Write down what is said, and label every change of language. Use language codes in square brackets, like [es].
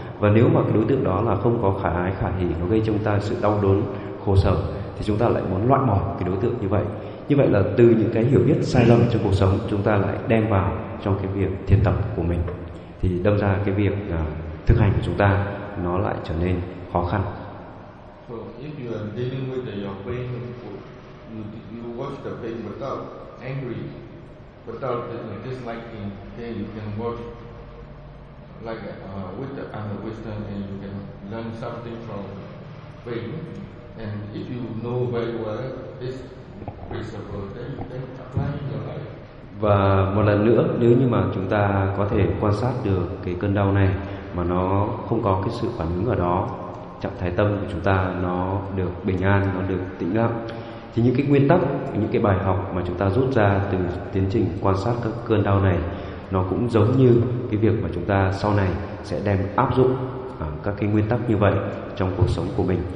[vi] Và nếu mà cái đối tượng đó là không có khả ái khả hỉ, nó gây cho chúng ta sự đau đớn khổ sở, thì chúng ta lại muốn loại bỏ cái đối tượng như vậy. Như vậy là từ những cái hiểu biết sai lầm trong cuộc sống, chúng ta lại đem vào trong cái việc thiền tập của mình, thì đâm ra cái việc thực hành của chúng ta nó lại trở nên khó khăn. [en] So if you are dealing with your pain, you watch the pain without angry, without disliking, then you can watch like with the understanding, and you can learn something from pain. And if you know very well this principle, then apply in your life. [vi] Và một lần nữa, nếu như mà chúng ta có thể quan sát được cái cơn đau này mà nó không có cái sự phản ứng ở đó, trạng thái tâm của chúng ta nó được bình an, nó được tĩnh lặng, thì những cái nguyên tắc, những cái bài học mà chúng ta rút ra từ tiến trình quan sát các cơn đau này, nó cũng giống như cái việc mà chúng ta sau này sẽ đem áp dụng các cái nguyên tắc như vậy trong cuộc sống của mình.